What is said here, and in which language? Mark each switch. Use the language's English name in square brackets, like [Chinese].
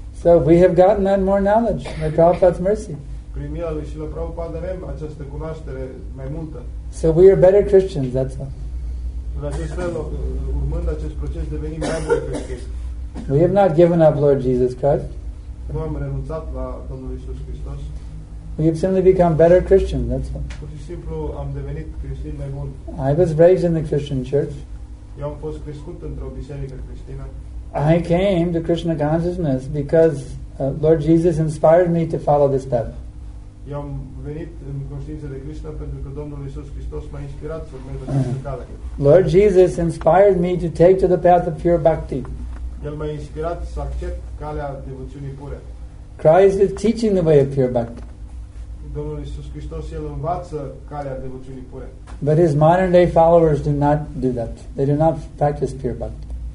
[English] So we have gotten that more knowledge, the Prabhupada's mercy. [Romanian] Prin mila lui Srila Prabhupada avem această cunoaștere mai multă. [English] So we are better Christians, that's all. [Romanian] În acest fel, urmând acest proces, devenim mai buni creștini. [English] We have not given up Lord Jesus Christ. [Romanian] Nu am renunțat la Domnul Iisus Hristos. [English] We have simply become better Christians, that's all. [Romanian] Pur și simplu am devenit creștin mai bun. [English] I was raised in the Christian church. [Romanian] Eu am fost crescut într-o biserică creștină. [English] I came to Krishna consciousness because Lord Jesus inspired me to follow this path. [Romanian] Eu am venit în conștiință de Krishna pentru că Domnul Iisus Hristos m-a inspirat să urmez această cale. [English] Lord Jesus inspired me to take to the path of pure bhakti. [Romanian] El m-a inspirat să accept calea devoțiunii pure. [English] Christ is teaching the way of pure bhakti. [Romanian] Domnul Iisus Hristos, El învață calea devoțiunii pure. [English] But His modern day followers do not do that. They do not practice pure bhakti.